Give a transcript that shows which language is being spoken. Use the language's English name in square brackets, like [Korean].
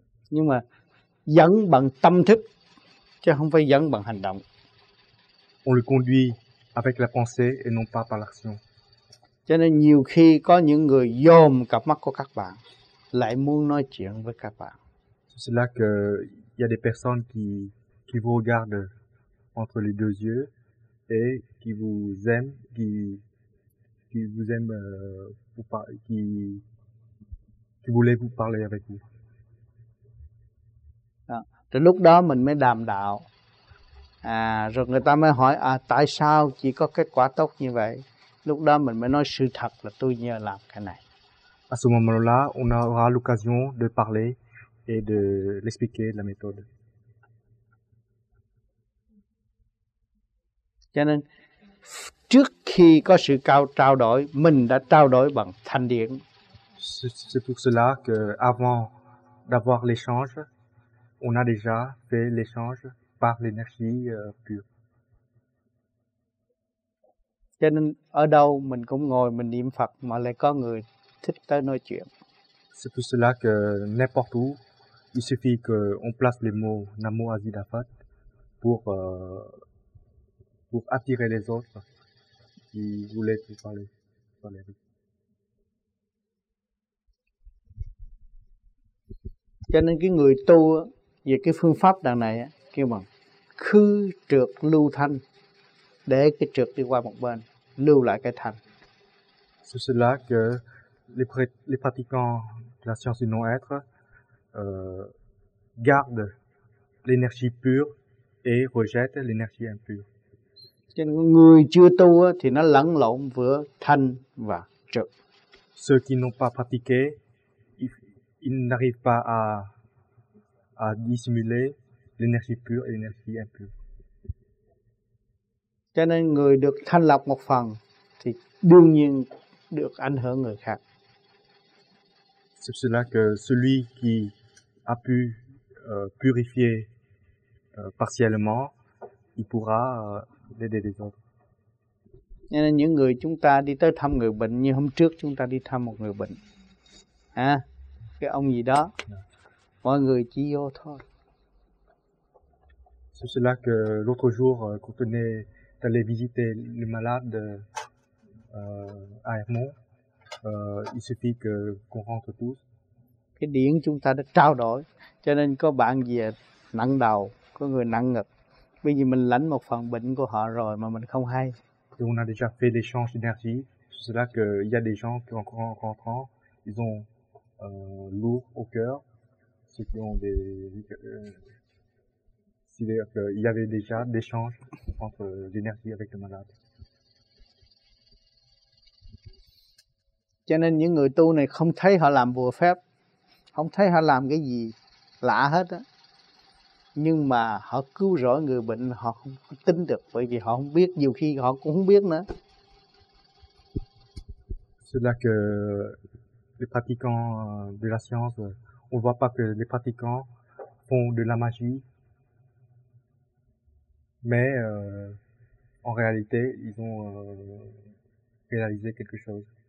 [Vietnamese] Nhưng mà dẫn bằng tâm thức chứ không phải dẫn bằng hành động. [French] On le conduit avec la pensée et non pas par l'action. [Vietnamese] Cho nên nhiều khi có những người dòm cặp mắt của các bạn lại muốn nói chuyện với các bạn. [French] C'est là que il y a des personnes qui vous regardent entre les deux yeux et qui vous aiment, qui vous aiment pour qui voulaient vous parler avec vous. [Vietnamese] Đó. Lúc đó mình mới đàm đạo. À, rồi người ta mới hỏi à, tại sao chỉ có kết quả tốt như vậy? Lúc đó mình mới nói sự thật là tôi nhờ làm cái này. [French] À ce moment-là, on aura l'occasion de parler et de l'expliquer la méthode. [Vietnamese] Cho nên trước khi có sự trao đổi, mình đã trao đổi bằng thanh điển. [French] C'est pour cela que avant d'avoir l'échange, on a déjà fait l'échange par l'énergie pure. [Vietnamese] Cho nên ở đâu mình cũng ngồi mình niệm Phật mà lại có người thích tới nói chuyện. [French] C'est pour cela que n'importe où, il suffit qu'on place les mots Namo Ajita Phat pour attirer les autres qui voulait te parler dans les rues. [Vietnamese] Cho nên cái người tu về cái phương pháp đằng này kêu bằng khứ trược lưu thanh, để cái trược đi qua một bên, lưu lại cái thanh. [French] C'est cela que les pratiquants de la science du non-être gardent l'énergie pure et rejettent l'énergie impure. [Vietnamese] Cho nên người chưa tu thì nó lẫn lộn giữa thanh và trược. [French] Ceux qui n'ont pas pratiqué, ils n'arrivent pas à dissimuler l'énergie pure et l'énergie impure. [Vietnamese] Cho nên người được thanh lọc một phần thì đương nhiên được ảnh hưởng người khác. [French] C'est cela que celui qui a pu purifier partiellement, il pourra aider les autres. [Vietnamese] Cho nên những người chúng ta đi tới thăm người bệnh, như hôm trước chúng ta đi thăm một người bệnh. À, cái ông gì đó, mọi người chỉ vô thôi. [French] C'est cela que l'autre jour, quand on est allé visiter le malade à Hermont, il suffit qu'on rentre tous. [Vietnamese] Cái điển chúng ta đã trao đổi, cho nên có bạn gì nặng đầu, có người nặng ngực. Bởi vì mình lãnh một phần bệnh của họ rồi mà mình không hay. [French] Et on a déjà fait l'échange d'énergie, c'est cela qu'il y a des gens qui encore en rentrant, ils ont lourd au cœur, ceux qui ont des... C'est-à-dire qu'il y avait déjà des échanges entre l'énergie avec le malade. [Vietnamese] Cho nên những người tu này không thấy họ làm bùa phép, không thấy họ làm cái gì lạ hết á. Nhưng mà họ cứu rỗi người bệnh họ không tin được, bởi vì họ không biết, nhiều khi họ cũng không biết nữa. [French] C'est là que les pratiquants de la science, on voit pas que les pratiquants font de la magie. Mais en réalité, ils ont réalisé quelque chose.